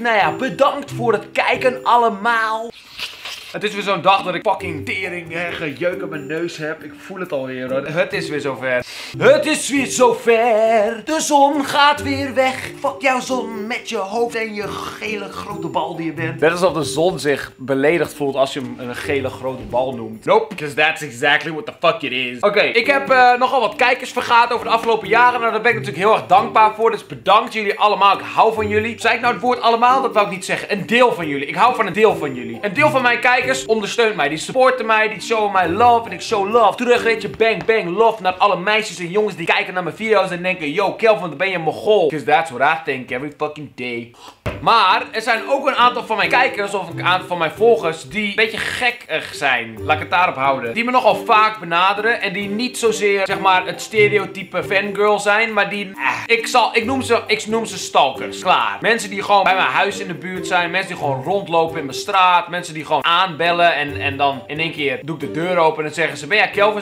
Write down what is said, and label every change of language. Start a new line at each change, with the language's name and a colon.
Dutch: Nou ja, bedankt voor het kijken allemaal. Het is weer zo'n dag dat ik fucking tering en gejeuk op mijn neus heb. Ik voel het alweer hoor. Het is weer zover. Het is weer zover. De zon gaat weer weg. Fuck jouw zon met je hoofd en je gele grote bal die je bent. Net alsof de zon zich beledigd voelt als je hem een gele grote bal noemt.
English: Nope, because that's exactly what the fuck it is.
Dutch: Oké, okay, ik heb nogal wat kijkers vergaat over de afgelopen jaren. Nou, daar ben ik natuurlijk heel erg dankbaar voor. Dus bedankt jullie allemaal. Ik hou van jullie. Zei ik nou het woord allemaal? Dat wou ik niet zeggen. Een deel van jullie. Ik hou van een deel van jullie. Een deel van mijn kijkers. Kijkers ondersteunt mij, die supporten mij, die showen mij love en ik show love. Terug weet je bang bang love naar alle meisjes en jongens die kijken naar mijn video's en denken yo Kelvin, dan ben je een mogol.
English: Cause that's what I think every fucking day.
Dutch: Maar er zijn ook een aantal van mijn kijkers of een aantal van mijn volgers die een beetje gek zijn. Laat ik het daarop houden. Die me nogal vaak benaderen en die niet zozeer zeg maar het stereotype fangirl zijn, maar die ik noem ze stalkers. Klaar. Mensen die gewoon bij mijn huis in de buurt zijn, mensen die gewoon rondlopen in mijn straat, mensen die gewoon aanbellen en dan in één keer doe ik de deur open en dan zeggen ze ben jij Kelvin?